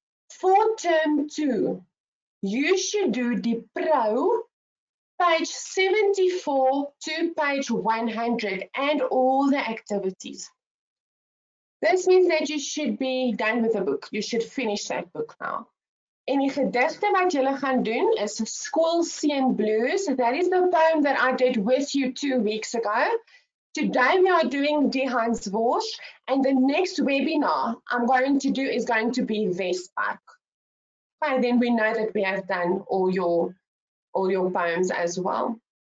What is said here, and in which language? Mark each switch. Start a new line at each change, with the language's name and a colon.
English: For term two, you should do die pro, page 74 to page 100, and all the activities. This means that you should be done with the book. You should finish that book now.
Afrikaans: En die gedigte wat julle gaan doen is Skoolseun Blues.
English: That is the poem that I did with you 2 weeks ago. Today we are doing Die Hansworst, and the next webinar I'm going to do is going to be Westpark. By then we know that we have done all your poems as well.